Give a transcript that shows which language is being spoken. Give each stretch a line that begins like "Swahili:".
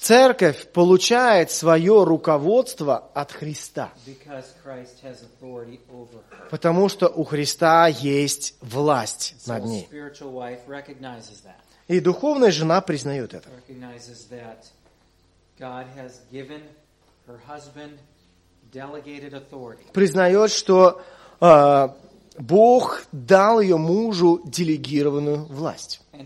Russian: Церковь получает свое руководство от Христа.
English: Because Christ has authority over her.
Russian: Потому что у Христа есть власть
English: so
Russian: над ней.
English: Spiritual wife recognizes that.
Russian: И духовная жена признает это.
English: Recognizes that God has given her husband delegated authority.
Russian: Признает, что Бог дал ее мужу делегированную власть.